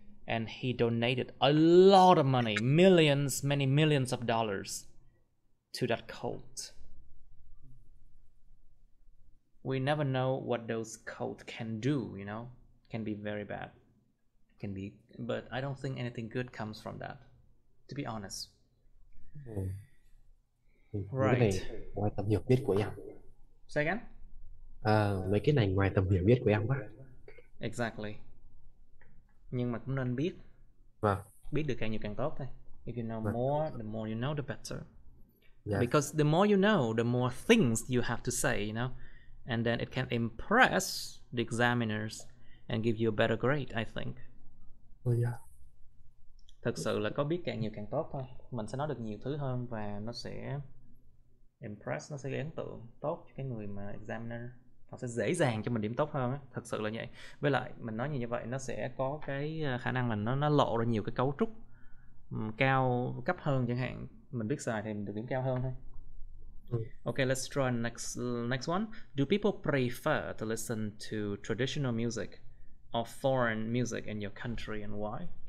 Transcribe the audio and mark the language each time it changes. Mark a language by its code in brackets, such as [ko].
[en] And he donated a lot of money, millions, many millions of dollars to that cult. We never know what those cults can do, Can be very bad. Can be, but I don't think anything good comes from that, to be honest. [vi] Mấy cái [en] Right. [vi] này ngoài tầm hiểu biết của em [en] Say again? [vi] à, mấy cái này ngoài tầm hiểu biết của em quá. [en] Exactly. [vi] Nhưng mà cũng nên biết. Vâng. Biết được càng nhiều càng tốt thôi. [en] If you know [vi] Vâng. [en] more, the more you know, the better. Yes. Because the more you know, the more things you have to say, And then it can impress the examiners and give you a better grade, I think. Yeah. [vi] Thật sự là có biết càng nhiều càng tốt thôi. Mình sẽ nói được nhiều thứ hơn và nó sẽ impress, nó sẽ gây ấn tượng tốt cho cái người mà examiner. Nó sẽ dễ dàng cho mình điểm tốt hơn á, thật sự là vậy. Với lại mình nói như vậy nó sẽ có cái khả năng là nó lộ ra nhiều cái cấu trúc cao cấp hơn chẳng hạn, mình biết xài thì mình được điểm cao hơn thôi. [en] Ok, let's try next one. Do people prefer to listen to traditional music or foreign music in your country and why?